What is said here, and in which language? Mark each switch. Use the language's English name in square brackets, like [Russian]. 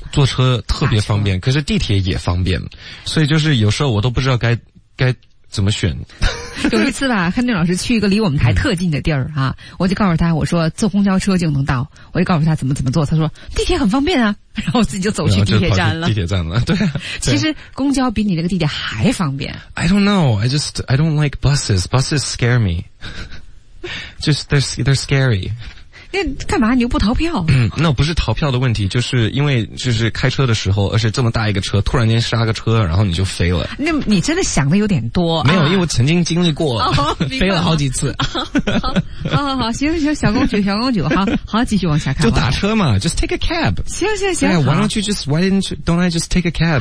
[Chinese] 坐车特别方便，可是地铁也方便。所以就是有时候我都不知道该怎么选。有一次吧，亨俊老师去一个离我们台特近的地儿啊，我就告诉他，我说坐公交车就能到，我就告诉他怎么坐，他说地铁很方便啊，然后自己就走去地铁站了。地铁站了，对、啊。对啊、其实公交比你那个地铁还方便。 [English] I don't know, I don't like buses, buses scare me. Just, they're scary. [Chinese] 那干嘛你又不逃票？那不是逃票的问题，就是因为就是开车的时候，而且这么大一个车，突然间刹个车，然后你就飞了。那你真的想的有点多。没有，因为我曾经经历过了，飞了好几次。好，行，小公举，好，继续往下看。就打车嘛 ， [English] just take a cab。 [Chinese] 行。 [English] Why don't you just why didn't you don't I just take a cab？